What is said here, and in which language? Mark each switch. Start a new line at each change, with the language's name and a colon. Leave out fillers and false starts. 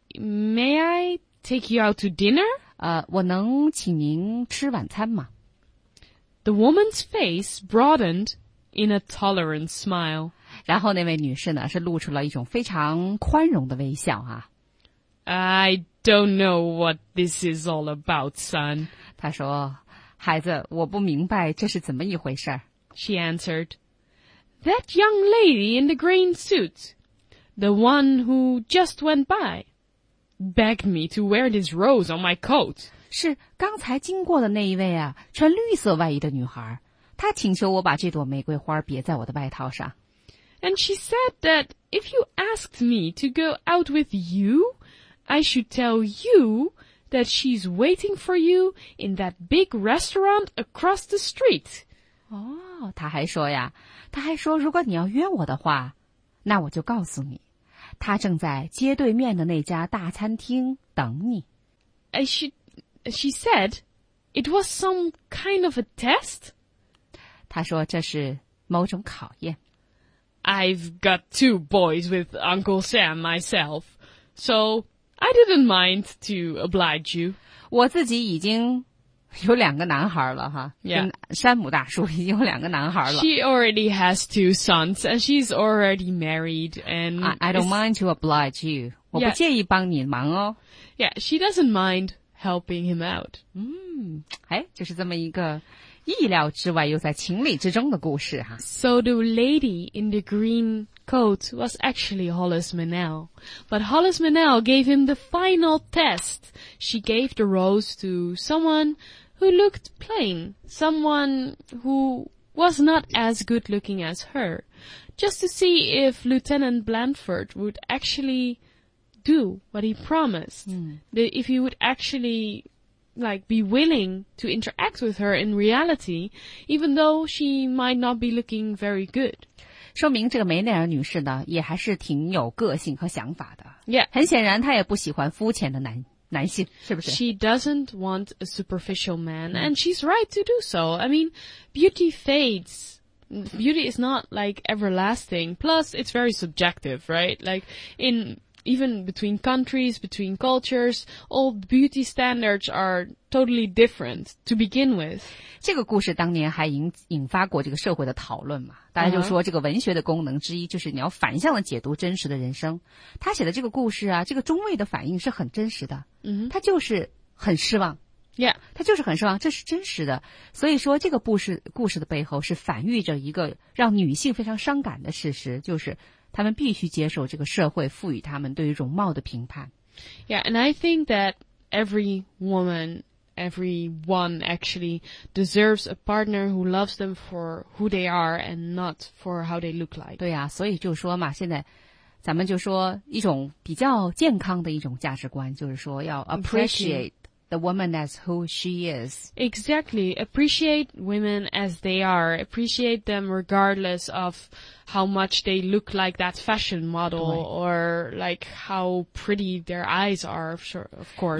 English: May I take you out to dinner?
Chinese: 我能请您吃晚餐吗?
English: The woman's face broadened in a tolerant smile.
Chinese: 然后那位女士呢，是露出了一种非常宽容的微笑啊。
English: I don't know what this is all about, son.
Chinese: 她说，孩子，我不明白这是怎么一回事。
English: She answered, That young lady in the green suit, the one who just went by, begged me to wear this rose on my coat.
Chinese: 是刚才经过的那一位啊，穿绿色外衣的女孩，她请求我把这朵玫瑰花别在我的外套上。
English: And she said that if you asked me to go out with you, I should tell you that she's waiting for you in that big restaurant across the street.
Chinese: 哦，她还说呀，她还说如果你要约我的话，那我就告诉你，她正在街对面的那家大餐厅等你。
English: She said it was some kind of a test.
Chinese: 她说这是某种考验。
English: I've got two boys with Uncle Sam myself, so I didn't mind to oblige you.
Chinese: 我自己已经有两个男孩了哈。
English: Yeah.
Chinese: 山姆大叔已经有两个男孩了。
English: She already has two sons and she's already married and... I don't mind to oblige you. Yeah.
Chinese: 我不介意帮你忙哦。
English: Yeah, she doesn't mind helping him out.
Chinese: 嗯，哎，就是这么一个意料之外又在情理之中的故事哈。
English: So the lady in the green coat was actually Hollis Manel. But Hollis Manel gave him the final test. She gave the rose to someone who looked plain. Someone who was not as good looking as her. Just to see if Lieutenant Blandford would actually do what he promised. If he would actually... like be willing to interact with her in reality, even though she might not be looking very good.
Chinese: 说明这个梅内尔女士呢也还是挺有个性和想法的。
English: Yeah.
Chinese: 很显然她也不喜欢肤浅的男性是不是
English: She doesn't want a superficial man, and she's right to do so. I mean, beauty fades. Beauty is not like everlasting. Plus, it's very subjective, right? Like, in... Even between countries, between cultures, all beauty standards are totally different to begin with.
Chinese: 这个故事当年还引发过这个社会的讨论嘛。大家就说这个文学的功能之一就是你要反向的解读真实的人生。他写的这个故事啊，这个中尉的反应是很真实的。他就是很失望。
English: Yeah.
Chinese: 他就是很失望，这是真实的。所以说这个故事的背后是反映着一个让女性非常伤感的事实，就是他们必须接受这个社会赋予他们对于容貌的评判。
English: Yeah, and I think that every woman, everyone actually deserves a partner who loves them for who they are and not for how they look like.
Chinese: 对啊，所以就说嘛，现在咱们就说一种比较健康的一种价值观，就是说要
English: appreciate the woman as who she is. Exactly. Appreciate women as they are. Appreciate them regardless of how much they look like that fashion model or like how pretty their eyes are, of course.